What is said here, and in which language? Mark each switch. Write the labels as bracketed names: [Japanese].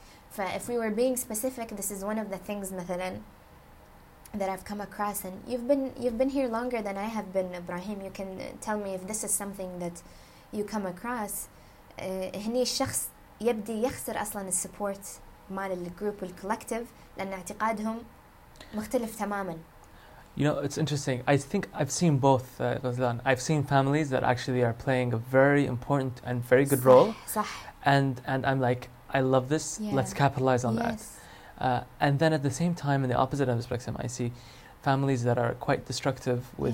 [English] فا if we were being specific this is one of the things مثلاً. That I've come across, and you've been here longer than I have been, Ibrahim. You can tell me if this is something that you come across. [Arabic] هني الشخص يبدي يخسر أصلاً السupport مال الgroup والcollective لأن اعتقادهم مختلف تماماً. [English] You know, it's interesting. I think I've seen both, Ghezlan. I've seen families that actually are playing a very important and very good role. [Arabic] صح. [English] And I'm like, I love this. Yeah. Let's capitalize on yes. that. And then at the same time, in the opposite end of the spectrum, I see families that are quite destructive with